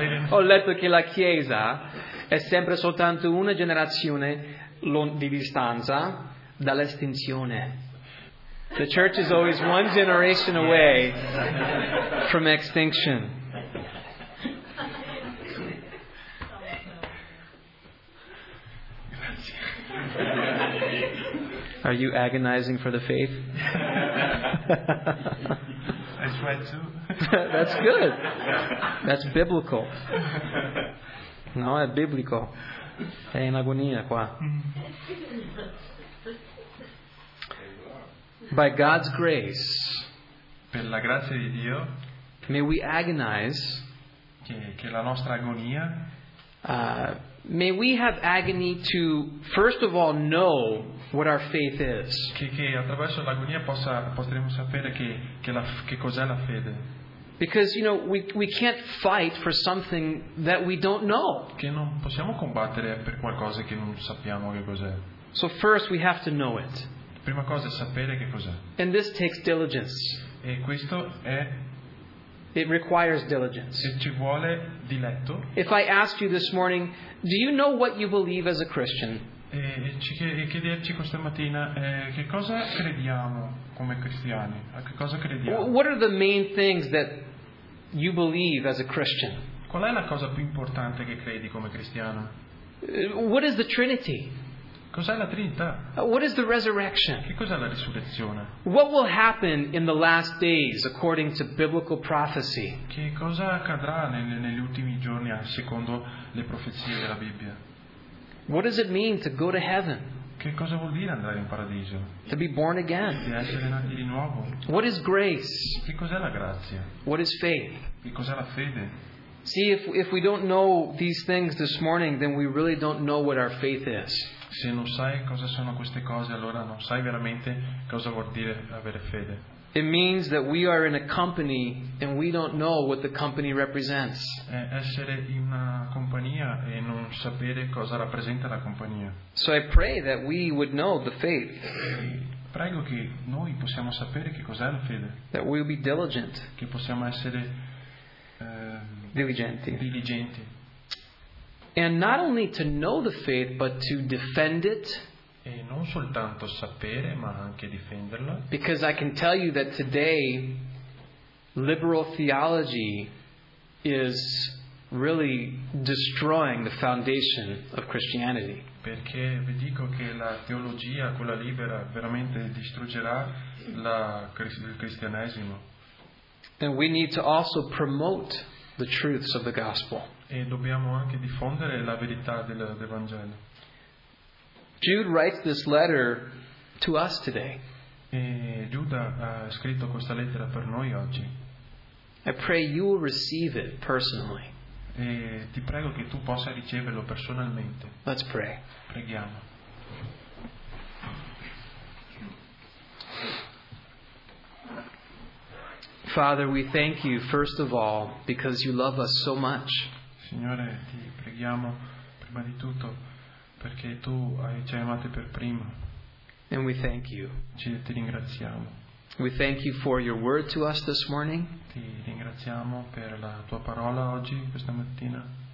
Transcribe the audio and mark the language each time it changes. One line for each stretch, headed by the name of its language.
Italian: Ho letto che la Chiesa è sempre soltanto una generazione di distanza dall'estinzione.
English: The church is always one generation away from extinction. Are you agonizing for the faith? I try to. That's good. That's biblical.
Italian: No, è biblico. È in agonia qua.
English: By God's grace,
Italian: per la grazia di Dio,
English: may we agonize,
Italian: che la nostra agonia,
English: may we have agony to first of all know what our faith is,
Italian: che attraverso l'agonia potremo sapere che cos'è la fede.
English: Because, you know, we can't fight for something that we don't know,
Italian: che non possiamo combattere per qualcosa che non sappiamo che cos'è.
English: So first we have to know it.
Italian: Prima cosa è sapere che cos'è.
English: And this takes diligence.
Italian: E questo è.
English: It requires diligence.
Italian: E ci vuole diletto.
English: If I asked you this morning, do you know what you believe as a Christian?
Italian: E chiederci questa mattina, che cosa crediamo come cristiani? A che cosa crediamo?
English: What are the main things that you believe as a Christian?
Italian: Qual è la cosa più importante che credi come cristiano?
English: What is the Trinity?
Italian: Cos'è la Trinità?
English: What is the resurrection?
Italian: Che cos'è la risurrezione?
English: What will happen in the last days according to biblical prophecy?
Italian: Che cosa accadrà negli ultimi giorni secondo le profezie della Bibbia?
English: What does it mean to go to heaven?
Italian: Che cosa vuol dire andare in paradiso?
English: To be born again.
Italian: Di essere nati di nuovo.
English: What is grace?
Italian: Che cos'è la grazia?
English: What is faith?
Italian: Che cos'è la fede?
English: See, if we don't know these things this morning, then we really don't know what our faith is.
Italian: Se non sai cosa sono queste cose, allora non sai veramente cosa vuol dire avere fede.
English: It means that we are in a company and we don't know what the company represents.
Italian: Essere in una compagnia e non sapere cosa rappresenta la compagnia.
English: So I pray that we would know the faith.
Italian: Prego che noi possiamo sapere che cos'è la fede.
English: That we will be diligent.
Italian: Che possiamo essere diligenti.
English: And not only to know the faith, but to defend it.
Italian: E non soltanto sapere, ma anche difenderla.
English: Because I can tell you that today, liberal theology is really destroying the foundation of Christianity.
Italian: Perché vi dico che la teologia, quella libera, veramente distruggerà il cristianesimo.
English: And we need to also promote the truths of the gospel.
Italian: E dobbiamo anche diffondere la verità del Vangelo.
English: Jude writes this letter to us today.
Italian: E Giuda ha scritto questa lettera per noi oggi.
English: I pray you will receive it personally.
Italian: E ti prego che tu possa riceverlo personalmente.
English: Let's pray.
Italian: Preghiamo.
English: Father, we thank you first of all because you love us so much.
Italian: Signore, ti preghiamo prima di tutto perché tu ci hai amati per prima.
English: And we thank you.
Italian: Ti ringraziamo.
English: We thank you for your word to us this morning.
Italian: Ti ringraziamo per la tua parola oggi, questa mattina.